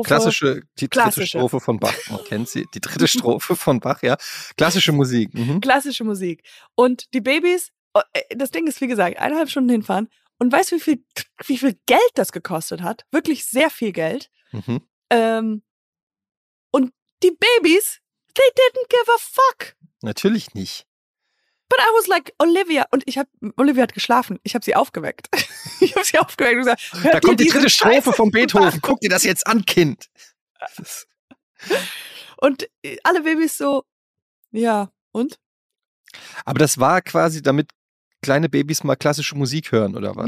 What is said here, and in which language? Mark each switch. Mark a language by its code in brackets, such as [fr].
[de] Also klassische dritte Strophe von Bach, man kennt sie, die dritte Strophe von Bach, ja, klassische Musik. Mhm. Klassische Musik. Und die Babys, das Ding ist, wie gesagt, 1,5 Stunden hinfahren. Und weißt du, wie viel Geld das gekostet hat? Wirklich sehr viel Geld. Mhm. Und die Babys, [en] they didn't give a fuck. [de] Natürlich nicht. [en] But I was like, Olivia. [de] Und Olivia hat geschlafen. Ich habe sie aufgeweckt. Ich habe sie aufgeweckt und gesagt, da kommt die dritte Strophe von Beethoven. Guck dir das jetzt an, Kind. Und alle Babys so, ja, und? Aber das war quasi damit, kleine Babys mal klassische Musik hören, oder was?